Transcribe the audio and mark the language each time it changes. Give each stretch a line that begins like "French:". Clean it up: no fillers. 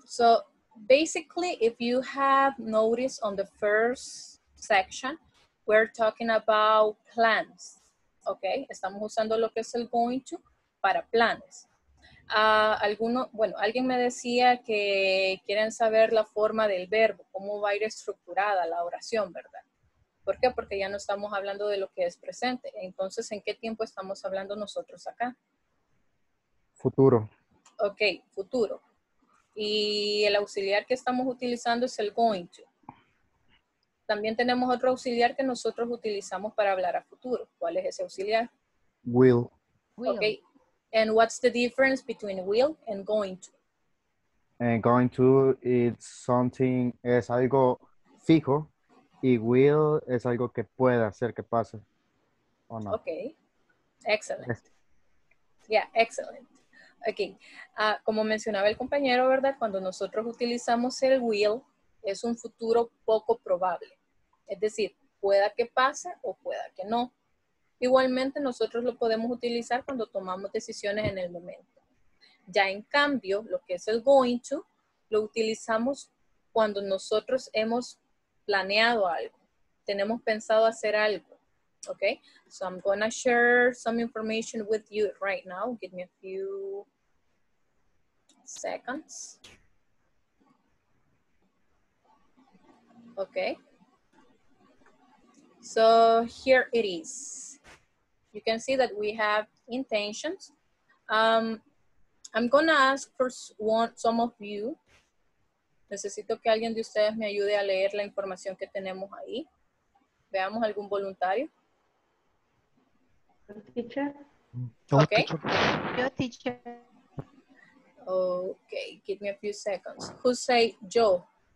English: So basically, if you have noticed on the first section, we're talking about plans, okay?
Spanish: Estamos usando lo que es el going to para planes. Alguien me decía que quieren saber la forma del verbo, cómo va a ir estructurada la oración, ¿verdad? ¿Por qué? Porque ya no estamos hablando de lo que es presente. Entonces, ¿en qué tiempo estamos hablando nosotros acá? Futuro. Okay, futuro. Y el auxiliar que estamos utilizando es el going to. También tenemos otro auxiliar que nosotros utilizamos para hablar a futuro. ¿Cuál es ese auxiliar?
English: Will. Okay. And what's the difference between will and going to? And going to is something,
Spanish: es algo fijo. Y will es algo que pueda hacer que pase. O no.
English: Okay. Excellent. Yeah, excellent.
Spanish: Ok, como mencionaba el compañero, ¿verdad? Cuando nosotros utilizamos el will, es un futuro poco probable. Es decir, pueda que pase o pueda que no. Igualmente, nosotros lo podemos utilizar cuando tomamos decisiones en el momento. Ya en cambio, lo que es el going to, lo utilizamos cuando nosotros hemos planeado algo. Tenemos pensado hacer algo.
English: Okay, so I'm gonna share some information with you right now. Give me a few seconds. Okay, so here it is. You can see that we have intentions. I'm going to ask for some of you.
Spanish: Necesito que alguien de ustedes me ayude a leer la información que tenemos ahí. Veamos algún voluntario. Yo, teacher.
English: Okay, give me a few seconds. Who say yo?